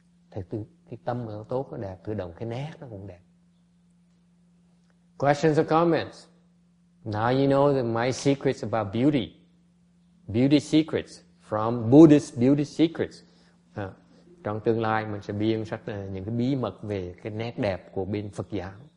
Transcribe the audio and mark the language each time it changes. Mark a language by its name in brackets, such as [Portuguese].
[Vietnamese] Thầy từ cái tâm nó tốt nó đẹp, tự động cái nét nó cũng đẹp. [English] Questions or comments? Now you know that my secrets about beauty, beauty secrets from Buddhist beauty secrets. [Vietnamese] Trong tương lai mình sẽ biên sách những cái bí mật về cái nét đẹp của bên Phật giáo.